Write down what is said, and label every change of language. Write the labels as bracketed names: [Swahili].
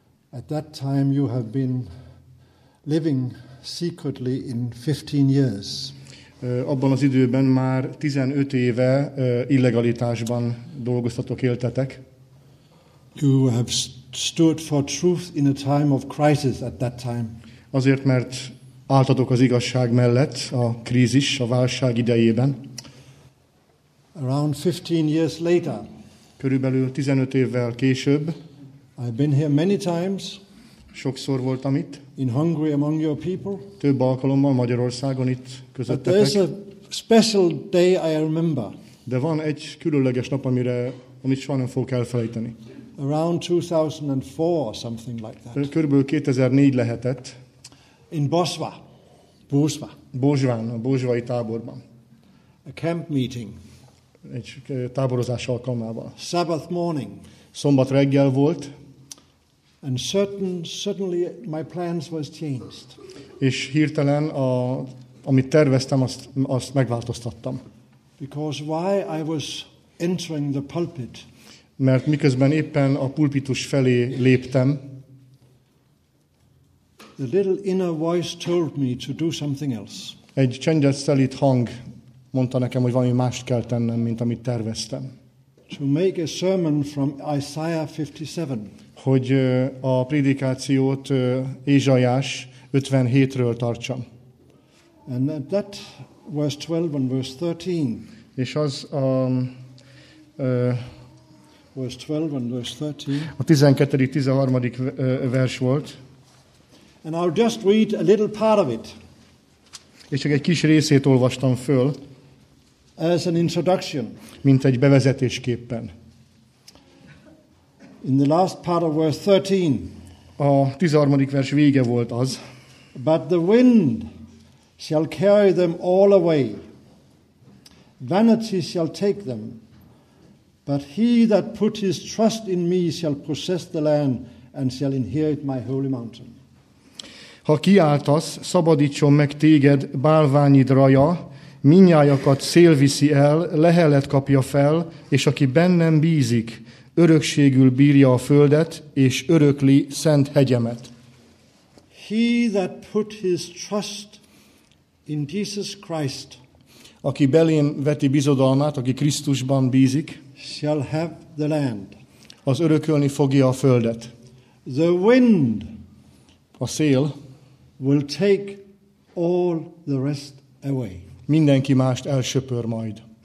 [English] At that time you have been living secretly in 15 years. [Hungarian] Abban az időben már 15 éve illegalitásban dolgoztatok, éltetek. [English] You have stood for truth in a time of crisis at that time. [Hungarian] Azért, mert álltatok az igazság mellett a krízis, a válság idejében. [English] Around 15 years later. [Hungarian] Körülbelül 15 évvel később. [English] I've been here many times. [Hungarian] Sokszor voltam itt. [English] In Hungary among your people. [Hungarian] Több alkalommal Magyarországon itt közöttetek. [English] But there's a special day I remember. [Hungarian] De van egy különleges nap, amit soha nem fogok elfelejteni. [English] Around 2004 or something like that. [Hungarian] Körülbelül 2004 lehetett. [English] In Bosva. Bosva. [Hungarian] Bozsván, a bozsvai táborban. [English] A camp meeting. [Hungarian] Egy táborozás alkalmával. [English] Sabbath morning. [Hungarian] Szombat reggel volt. [English] And suddenly my plans was changed. [Hungarian] És hirtelen amit terveztem, azt megváltoztattam. [English] Because why I was entering the pulpit. [Hungarian] Mert miközben éppen a pulpitus felé léptem. [English] The little inner voice told me to do something else. [Hungarian] Egy csendes, szelíd hang mondta nekem, hogy valami mást kell tennem, mint amit terveztem. [English] To make a sermon from Isaiah 57. [Hungarian] Hogy a prédikációt Ézsaiás 57-ről tartsam. [English] And that was 12 and verse 13. [Hungarian] És az a [English] verse 12 and verse 13. [Hungarian] A 12. 13. vers volt. [English] And I'll just read a little part of it. [Hungarian] És csak egy kis részét olvastam föl. [English] As an introduction. [Hungarian] Mint egy bevezetésképpen. [English] In the last part of verse 13. [Hungarian] A 13. vers vége volt az. [English] But the wind shall carry them all away. Vanity shall take them. But he that put his trust in me shall possess the land and shall inherit my holy mountain. [Hungarian] Ha kiáltasz, szabadítson meg téged bálványid raja, minnyájakat szél viszi el, lehelet kapja fel, és aki bennem bízik, örökségül bírja a földet, és örökli szent hegyemet. [English] He that put his trust in Jesus Christ, [Hungarian] aki belém veti bizodalmát, aki Krisztusban bízik, [English] shall have the land. [Hungarian] Az örökölni fogja a földet. [English] The wind, [Hungarian] a szél, [English] will take all the rest away. [Hungarian] Mindenki mást elsöpör majd.